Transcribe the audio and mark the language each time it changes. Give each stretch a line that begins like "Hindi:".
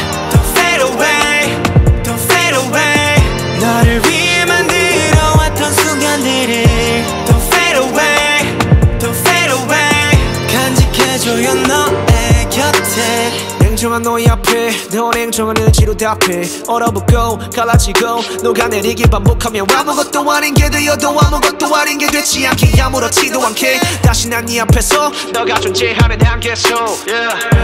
English: Don't fade away, don't fade away.
Korean: 너를 위해 만들어 왔던 순간들이.
English: Don't fade away, don't fade away.
Korean: 간직해줘요 너의 곁에. 냉정한 너 너의 앞에 넌 행정한 의지로 답해 얼어붙고 갈라지고 녹아내리길 반복하며 아무것도 아닌 게 되어도 아무것도 아닌 게 되지 않게 아무렇지도 않게 다시 난 네 앞에서 너가 존재하는 한계 속 yeah.